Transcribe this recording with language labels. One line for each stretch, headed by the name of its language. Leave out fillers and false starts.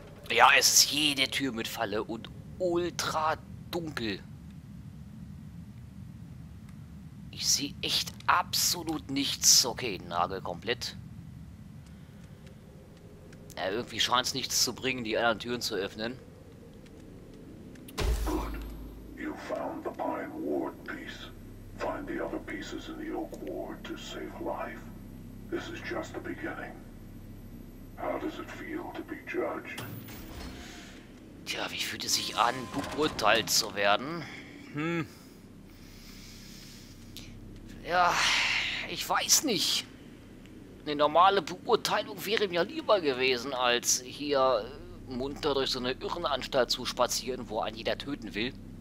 German: Ja, es ist jede Tür mit Falle und ultra dunkel. Ich sehe echt absolut nichts. Okay, Nagel komplett. Ja, irgendwie scheint es nichts zu bringen, die anderen Türen zu öffnen.
English: Good. You found the Pine Ward piece. Find the other pieces in the Oak Ward to save life. This is just the beginning. How does it feel to be judged?
German: Tja, wie fühlt es sich an, beurteilt zu werden? Hm. Ja, ich weiß nicht. Eine normale Beurteilung wäre mir lieber gewesen, als hier munter durch so eine Irrenanstalt zu spazieren, wo ein jeder töten will.